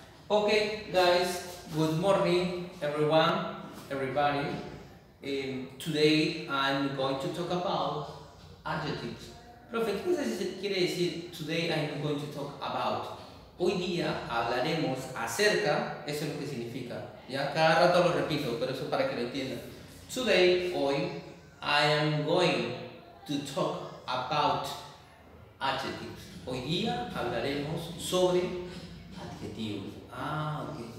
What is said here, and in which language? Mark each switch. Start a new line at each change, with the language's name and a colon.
English: Okay, guys, good morning, everyone, everybody. Today I'm going to talk about adjectives.
Spanish: Profe, ¿qué quiere decir
English: today I'm going to talk about?
Spanish: Hoy día hablaremos acerca, eso es lo que significa. Ya cada rato lo repito, pero eso para que lo entiendan.
English: Today, hoy, I am going to talk about adjectives.
Spanish: Hoy día hablaremos sobre adjetivos. Ah, ok.